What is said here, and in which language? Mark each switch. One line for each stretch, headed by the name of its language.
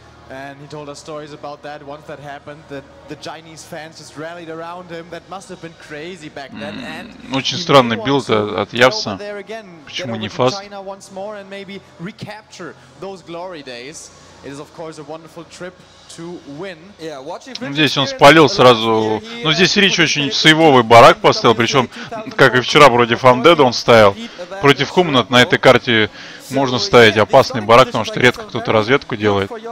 English: And he told us stories about that once that happened, that the Chinese fans just rallied around him. That must have been crazy back then. And
Russian: очень странный билд от Явса. Почему не фаст?
English: Once more and maybe recapture those glory days. It is of course a wonderful trip to win.
Russian: Здесь он спалил сразу. Но здесь Рич очень сейвовый барак поставил, причем как и вчера вроде Фандед он ставил. Против Хуманат на этой карте можно ставить опасный барак, потому что редко кто-то разведку делает.